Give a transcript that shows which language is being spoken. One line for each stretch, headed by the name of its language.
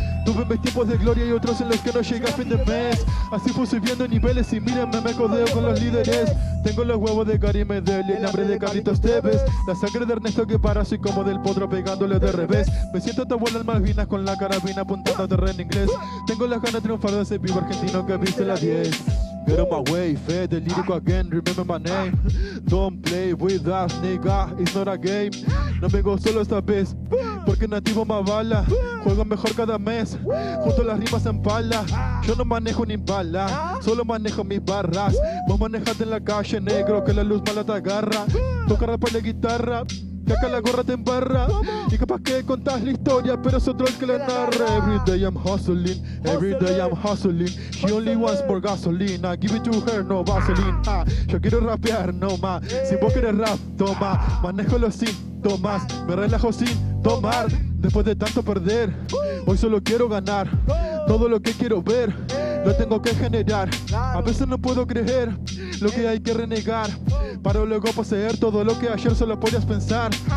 Spanish: Tuve mis tiempos de gloria y otros en los que no llegué a fin de mes. Así fui subiendo niveles y mírenme, me codeo con los líderes. Tengo los huevos de Gary Medel y el hambre de Carlitos Tevez. La sangre de Ernesto Guevara, así como del potro pegándole de revés. Me siento a tu abuela en Malvinas con la carabina apuntando a terreno inglés. Tengo las ganas de triunfar de ese vivo argentino que viste la 10.
English: Get on my way, fed the lyric again, remember my name. Don't play with us, nigga, it's not a game.
Spanish: No vengo solo esta vez, porque nativo me avala. Juego mejor cada mes, junto a las rimas en pala. Yo no manejo ni impala, solo manejo mis barras. Vos manejate en la calle, negro, que la luz mala te agarra. Toca rap y la guitarra, que acá la gorra te embarra. Y capaz que contás la historia, pero es otro el que la narra.
English: Every day I'm hustling, every day I'm hustling. She only wants more gasoline, I give it to her, no vaseline.
Spanish: Yo quiero rapear, no más. Si vos querés rap, toma. Manejo los síntomas, me relajo sin tomar. Después de tanto perder, hoy solo quiero ganar. Todo lo que quiero ver, lo tengo que generar. A veces no puedo creer lo que hay que renegar, para luego poseer todo lo que ayer solo podías pensar.